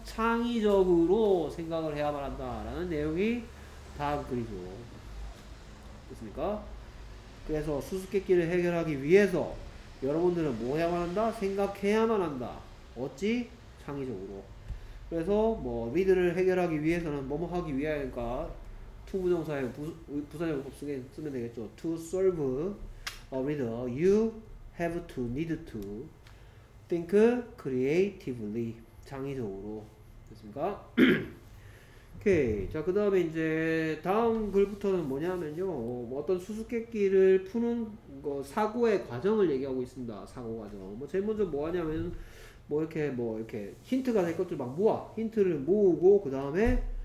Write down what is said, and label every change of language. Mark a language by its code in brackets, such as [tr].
[ko] 창의적으로 생각을 해야만 한다 라는 내용이 다음 글이죠 됐습니까? 그래서 수수께끼를 해결하기 위해서 여러분들은 뭐 해야만 한다? 생각해야만 한다. 어찌? 창의적으로. 그래서 뭐 리드를 해결하기 위해서는 뭐뭐 하기 위하여니까 투 부정사의 부사적법 쓰면 되겠죠. [en] To solve a reader, you have to need to think creatively. [ko] 창의적으로. 됐습니까? 오케이 자 그 다음에 이제 다음 글부터는 뭐냐면요 어떤 수수께끼를 푸는 거 사고의 과정을 얘기하고 있습니다 사고 과정 뭐 제일 먼저 뭐 하냐면 뭐 이렇게 힌트가 될 것들 막 모아 힌트를 모으고 그 다음에